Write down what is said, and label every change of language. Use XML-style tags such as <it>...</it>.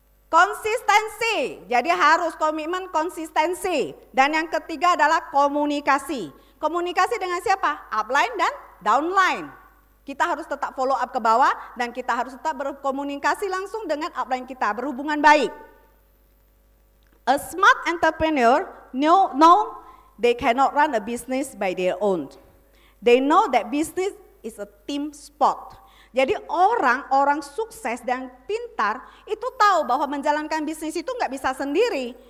<id>Konsistensi, jadi harus komitmen konsistensi. Dan yang ketiga adalah komunikasi. Komunikasi dengan siapa? Upline dan downline. Kita harus tetap follow up ke bawah dan kita harus tetap berkomunikasi langsung dengan upline kita, berhubungan baik.</id> <en>A smart entrepreneur know they cannot run a business by their own. They know that business is a team sport.</en> <id>Jadi orang-orang sukses dan pintar itu tahu bahwa menjalankan bisnis itu enggak bisa sendiri.</id>